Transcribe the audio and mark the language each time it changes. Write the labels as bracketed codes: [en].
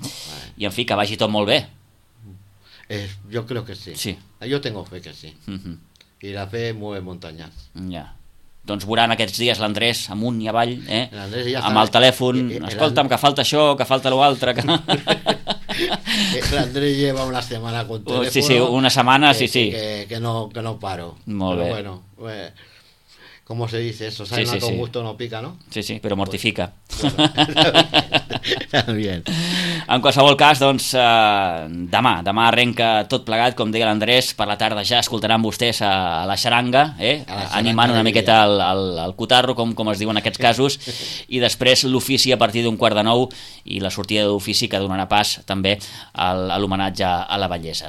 [ca] Vale. I en fi, que vagi tot molt bé. [es] Yo creo que sí. Sí. Yo tengo fe que sí. Uh-huh. Y la fe mueve montañas. [ca] Ya. Doncs veuran aquests dies l'Andrés amunt i avall, eh? L'Andrés ja amb el telèfon. Escolta'm, que falta això, que falta l'altre. Que... [es] L'Andrés lleva una setmana con teléfono. [ca] Sí, sí, una setmana, sí, sí. Que no paro. Molt bé. [es] Però bueno, ¿cómo se dice eso? Sí, sí, sí. Con gusto no pica, ¿no? [ca] Sí, sí, però mortifica. [es] Bien. [ca] En qualsevol cas, doncs, demà arrenca tot plegat, com deia l'Andrés, per la tarda ja escoltaran vostès a la xaranga, animant una miqueta el cotarro, com es diu en aquests casos, i després l'ofici a partir d'un quart de nou i la sortida d'ofici que donarà pas també a l'homenatge a la bellesa.